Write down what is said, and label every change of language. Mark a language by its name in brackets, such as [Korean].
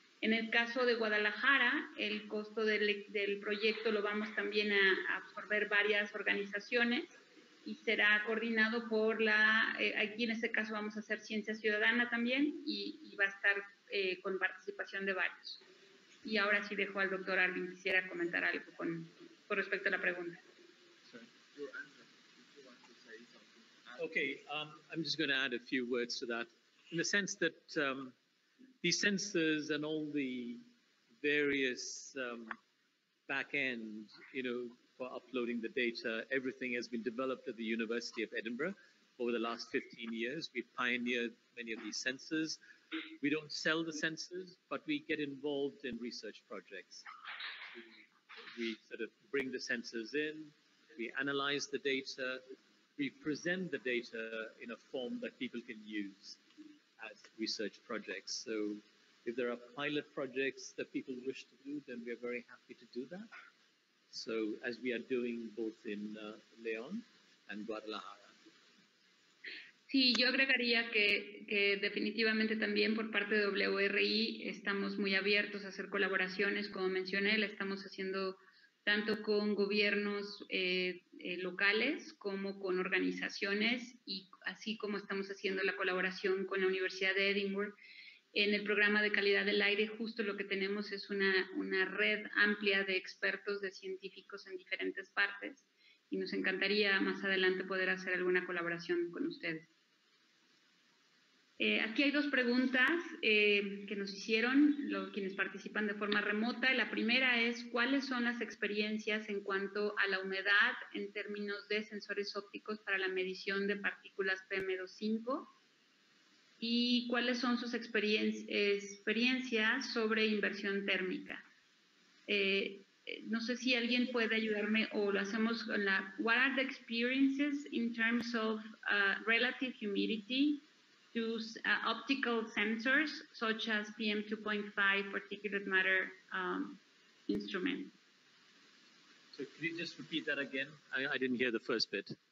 [Spanish] En el caso de Guadalajara, el costo del proyecto lo vamos también a absorber varias organizaciones y será coordinado por la, aquí en este caso vamos a hacer Ciencia Ciudadana también y va a estar con participación de varios. Y ahora sí dejo al doctor Arvin, quisiera comentar algo con respecto a la pregunta. [English] Okay, I'm just going to add a few words to that. In the sense that these sensors and all the various back end, you know, for uploading the data, everything has been developed at the University of Edinburgh over the last 15 years. We've pioneered many of these sensors. We don't sell the sensors, but we get involved in research projects. We sort of bring the sensors in, we analyze the data, we present the data in a form that people can use as research projects. So if there are pilot projects that people wish to do, then we are very happy to do that. So as we are doing both in León and Guadalajara. [Spanish] Sí, yo agregaría que definitivamente también por parte de WRI estamos muy abiertos a hacer colaboraciones, como mencioné, la estamos haciendo tanto con gobiernos locales como con organizaciones, y así como estamos haciendo la colaboración con la Universidad de Edinburgh en el programa de calidad del aire, justo lo que tenemos es una red amplia de expertos, de científicos en diferentes partes, y nos encantaría más adelante poder hacer alguna colaboración con ustedes. Aquí hay dos preguntas que nos hicieron quienes participan de forma remota. La primera es, ¿cuáles son las experiencias en cuanto a la humedad en términos de sensores ópticos para la medición de partículas PM2.5? ¿Y cuáles son sus experiencias sobre inversión térmica? No sé si alguien puede ayudarme o lo hacemos con la... [English] What are the experiences in terms of relative humidity to optical sensors such as PM2.5 particulate matter instrument? So could you just repeat that again? I didn't hear the first bit.